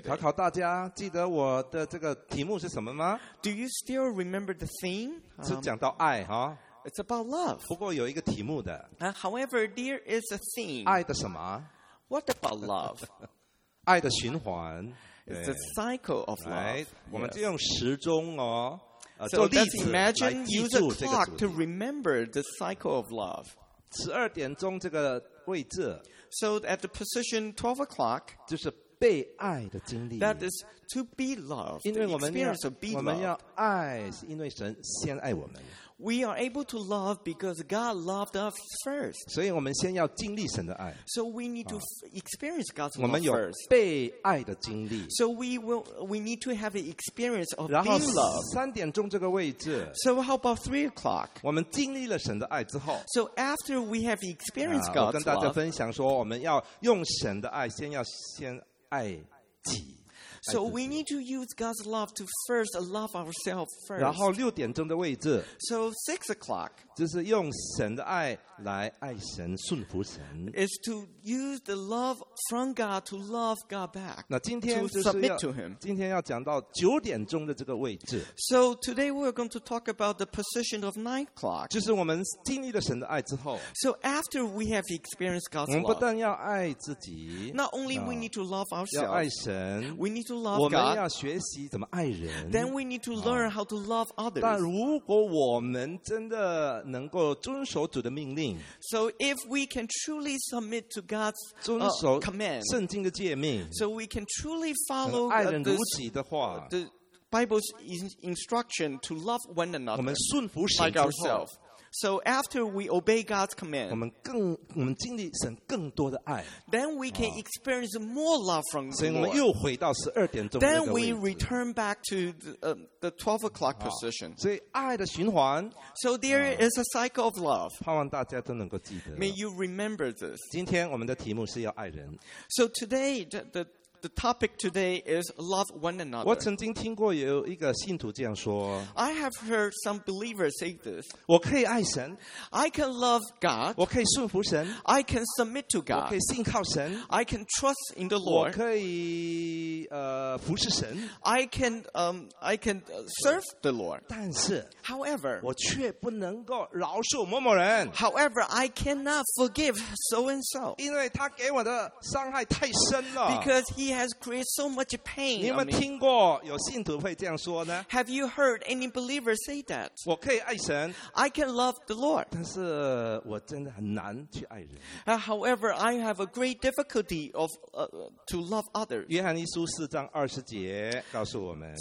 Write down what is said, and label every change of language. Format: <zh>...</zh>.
<zh>对，考考大家，记得我的这个题目是什么吗？</zh> <en>Do you still remember the theme?</en> <zh>是讲到爱哈。</zh> <en>It's about love.</en> <zh>不过有一个题目的。</zh> <en>However, there is a theme.</en> <zh>爱的什么？</zh> <en>What about love?</en> <zh>爱的循环。</zh> <en>It's a cycle of love.</en> <zh>Right. 我们就用时钟哦。</zh> <en>So let's imagine use a clock to remember the cycle of love.</en> <zh>十二点钟这个位置。</zh> <en>So at the position 12 o'clock.</en> <zh>就是被爱的经历。</zh> <en>That is to be loved.</en> <zh>因为我们要</zh> <en>experience of be loved.</en> <zh>我们要爱，是因为神先爱我们。</zh> <en>We are able to love because God loved us first.</en> <zh>所以我们先要经历神的爱。</zh> <en>So we need to experience God's love first.</en> <zh>我们有被爱的经历。</zh> <en>So we need to have an experience of being loved.</en> <zh>三点钟这个位置。</zh> <en>So how about 3 o'clock?</en> <zh>我们经历了神的爱之后。</zh> <en>So after we have experienced God's love.</en> <zh>我跟大家分享说我们要用神的爱先要先爱己。</zh> <en>So we need to use God's love to first love ourselves first.</en> <zh>然后六点钟的位置。</zh> <en>So 6 o'clock.</en> <zh>就是用神的爱来爱神，顺服神。</zh> <en>Is to use the love from God to love God back.</en> <zh>那今天就是要</zh> <en>submit to Him.</en> <zh>今天要讲到九点钟的这个位置。</zh> <en>So today we're going to talk about the position of 9 o'clock.</en> <zh>就是我们经历了神的爱之后。</zh> <en>So after we have experienced God's love,</en> <zh>我们不但要爱自己。</zh> <en>Not only we need to love ourselves,</en> <zh>要爱神。</zh> <en>We need to love God,</en> <zh>我们要学习怎么爱人。</zh> <en>Then we need to learn how to love others.</en> <zh>但如果我们真的能够遵守主的命令，</zh> <en>so if we can truly submit to God's</en> <zh>遵守</zh> <en>command,</en> <zh>圣经的诫命，</zh> <en>so we can truly follow</en> <zh>爱人如己的话，</zh> <en>the Bible's instruction to love one another,</en> <zh>我们顺服神之后。</zh> <en>So after we obey God's command,</en> <zh>我们经历神更多的爱。</zh> <en>Then we can experience more love from God.</en> <zh>所以我们又回到十二点钟。</zh> <en>Then we return back to the 12 o'clock position.</en> <zh>所以爱的循环。</zh> <en>So there is a cycle of love.</en> <zh>盼望大家都能够记得。</zh> <en>May you remember this.</en> <zh>今天我们的题目是要爱人。</zh> <en>So today the topic today is love one another.</en> <zh>我曾经听过有一个信徒这样说。</zh> <en>I have heard some believers say this.</en> <zh>我可以爱神。</zh> <en>I can love God.</en> <zh>我可以顺服神。</zh> <en>I can submit to God.</en> <zh>我可以信靠神。</zh> <en>I can trust in the Lord.</en> <zh>我可以服侍神。</zh> <en>I can serve the Lord.</en> <zh>但是</zh> <en>However,</en> <zh>我却不能够饶恕某某人。</zh> <en>However, I cannot forgive so and so.</en> <zh>因为他给我的伤害太深了。</zh> <en>Because He has created so much pain.</en> <zh>你有没有听过有信徒会这样说呢？</zh> <en>Have you heard any believer say that?</en> <zh>我可以爱神。</zh> <en>I can love the Lord.</en> <zh>但是我真的很难去爱人。</zh> <en>However, I have a great difficulty of to love others.</en> <zh>约翰一书四章二十节告诉我们。</zh>